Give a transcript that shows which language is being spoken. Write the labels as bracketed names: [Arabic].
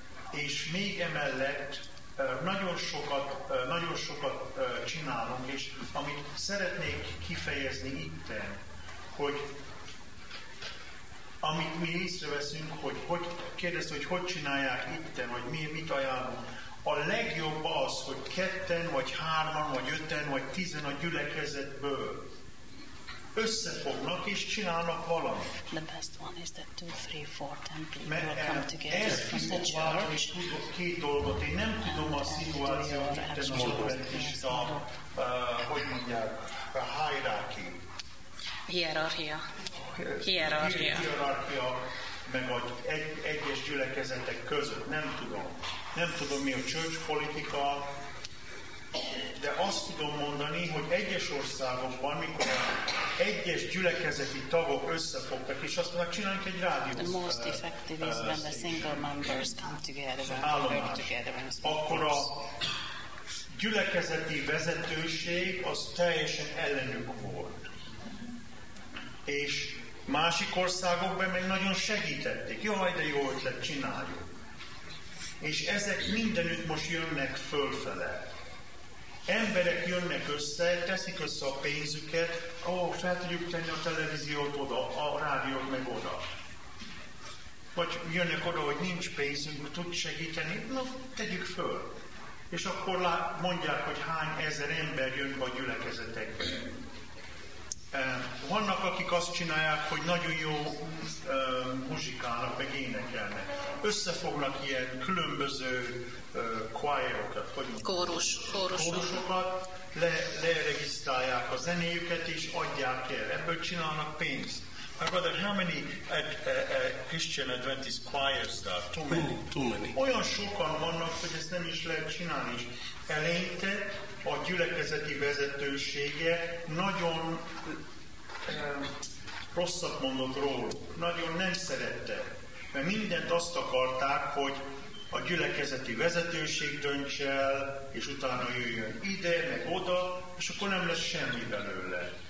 [Hungarian] És még emellett nagyon sokat csinálunk, és amit szeretnék kifejezni itten, hogy amit mi észreveszünk, hogy, hogy kérdezte, hogy hogy csinálják itten, vagy mi mit ajánlunk. A legjobb az, hogy ketten, vagy hárman, vagy öten, vagy tizen a gyülekezetből összefognak és csinálnak valamit. [English] The best one is that 2, 3, 4, 10 people will come together from the church. [Hungarian] Tudok két dolgot. Én nem tudom a szituációt, itt az adventista, hogy mondják, a [English] hierarchy. [Hungarian] Hierarchia. Hierarchia. Hierarchia, meg vagy egyes gyülekezetek között. Nem tudom. Nem tudom, mi a [English] church [Hungarian] politika, de azt tudom mondani, hogy egyes országokban, mikor egyes gyülekezeti tagok összefogtak, és azt mondták, csináljunk egy rádió. [English] The most effective is when the single members come together and work together. [Hungarian] Akkor a gyülekezeti vezetőség az teljesen ellenük volt. És másik országokban meg nagyon segítették. Jaj, de jó ötlet, csináljuk. És ezek mindenütt most jönnek fölfele. Emberek jönnek össze, teszik össze a pénzüket, fel tudjuk tenni a televíziót oda, a rádiót meg oda. Vagy jönnek oda, hogy nincs pénzünk, tud segíteni, tegyük föl. És akkor mondják, hogy hány ezer ember jön a gyülekezetekbe. Vannak, akik azt csinálják, hogy nagyon jó muzsikálnak, meg énekelnek. Összefognak ilyen különböző choirokat, kórusokat, leregisztrálják a zenéjüket, és adják el. Ebből csinálnak pénzt. [English] My brother, how many Christian Adventist choirs are? Too many. [Hungarian] Olyan sokan vannak, hogy ezt nem is lehet csinálni. Eleinte a gyülekezeti vezetősége nagyon rosszat mondott róla. Nagyon nem szerette. Mert mindent azt akarták, hogy a gyülekezeti vezetőség dönts el, és utána jöjjön ide, meg oda, és akkor nem lesz semmi belőle.